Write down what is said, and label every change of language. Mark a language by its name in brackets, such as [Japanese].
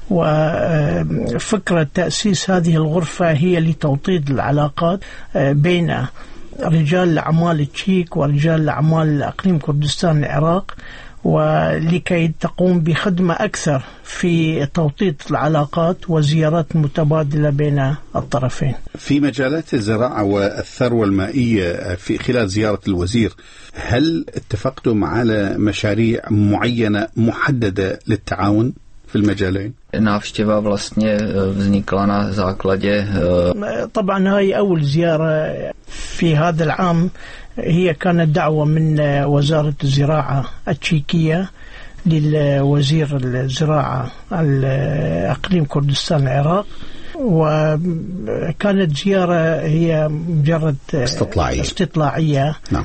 [Arabic] وفكرة تأسيس هذه الغرفة هي لتوطيد العلاقات بين رجال الأعمال التشيك ورجال الأعمال أقليم كردستان العراق، ولكي تقوم بخدمة أكثر في توطيد العلاقات وزيارات متبادلة بين الطرفين. في مجالات الزراعة والثروة المائية في خلال زيارة الوزير، هل اتفقتم على مشاريع معينة محددة للتعاون في المجالين؟ [Czech] návštěva vlastně vznikla na základě. [Arabic] طبعا هاي أول زيارة في هذا العام هي كانت دعوة من وزارة الزراعة التشيكية للوزير الزراعة الأقليم كردستان العراق، وكانت زيارة هي مجرد استطلاعية.